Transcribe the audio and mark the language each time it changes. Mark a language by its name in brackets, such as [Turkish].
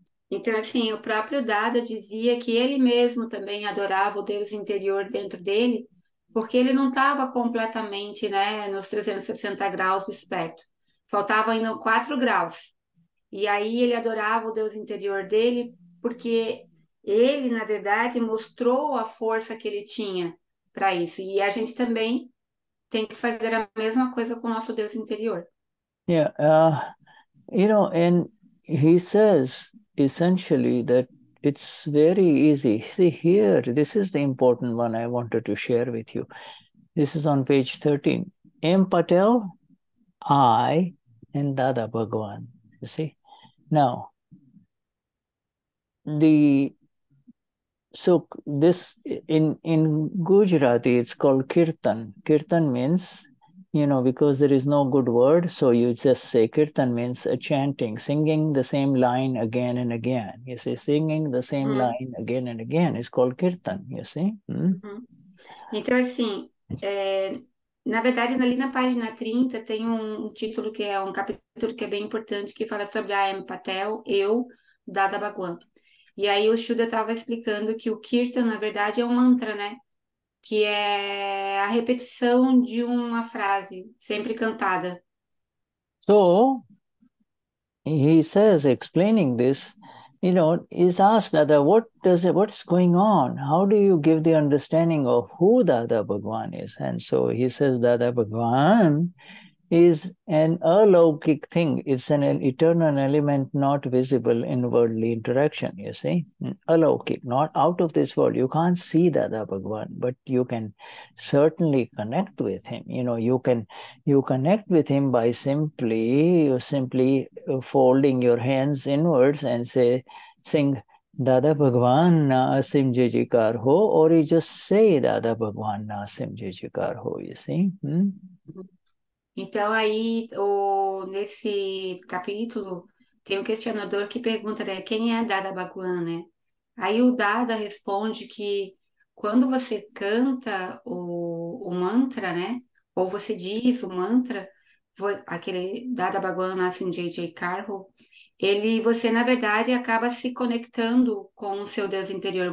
[Portuguese] Então, assim, o próprio Dada dizia que ele mesmo também adorava o Deus interior dentro dele, porque ele não estava completamente, né, nos 360 graus esperto. Faltavam ainda 4 graus. E aí ele adorava o Deus interior dele, porque ele, na verdade, mostrou a força que ele tinha para isso. E a gente também tem que fazer a mesma coisa com o nosso Deus interior. [English] Yeah, you know, and he says essentially that it's very easy. See here, this is the important one I wanted to share with you. This is on page 13. M. Patel, I, and Dada Bhagwan. You see? Now, this in Gujarati, it's called kirtan. Kirtan means, you know, because there is no good word, so you just say kirtan means a chanting, singing the same line again and again. You see, singing the same line again and again is called kirtan, you see? [Portuguese] Então, assim, na verdade, ali na página 30 tem um título que é um capítulo que é bem importante, que fala sobre a M. Patel, eu, Dada Bhagwan. E aí o Shuddha estava explicando que o kirtan, na verdade, é um mantra, né? Que é a repetição de uma frase, sempre cantada. [English] So, he says, explaining this, you know, he's asked Dada, what's going on? How do you give the understanding of who Dada Bhagwan is? And so he says, Dada Bhagwan is an alaukik thing. It's an eternal element not visible in worldly interaction, you see? Alaukik, not out of this world. You can't see Dada Bhagwan, but you can certainly connect with him. You know, you connect with him by simply folding your hands inwards and say, sing [Gujarati] Dada Bhagwan Na Aseem Jijikar Ho, [English] or you just say Dada Bhagwan Na Aseem Jijikar Ho, you see? [Portuguese] Então, aí, nesse capítulo, tem um questionador que pergunta, né, quem é Dada Bhagwan, né? Aí o Dada responde que quando você canta o mantra, né, ou você diz o mantra, aquele [Gujarati] Dada Bhagwan na Aseem Jijikar Ho, [Portuguese] ele, você, na verdade, acaba se conectando com o seu Deus interior.